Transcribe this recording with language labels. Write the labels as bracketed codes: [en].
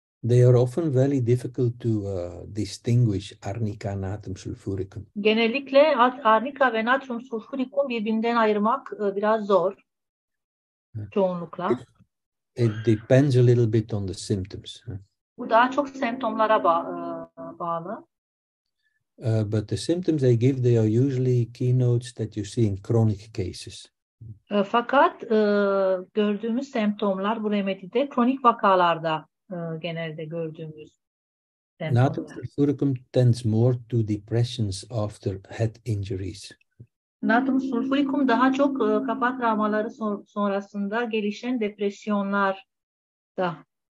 [en] They are often very difficult to distinguish arnica and natrium sulfuricum. [tr] Genellikle arnica ve natrium sulfuricum birbirinden ayırmak biraz zor çoğunlukla. [en] It depends a little bit on the symptoms. [tr] Bu daha çok semptomlara bağlı. [en] But the symptoms they give, they are usually keynotes that you see in chronic cases. [tr] Fakat gördüğümüz semptomlar bu remedide kronik vakalarda genelde gördüğümüz semptomlar. [en] Natrium sulfuricum tends more to depressions after head injuries. [tr] Natrium sulfuricum daha çok kafa travmaları sonrasında gelişen depresyonlar da.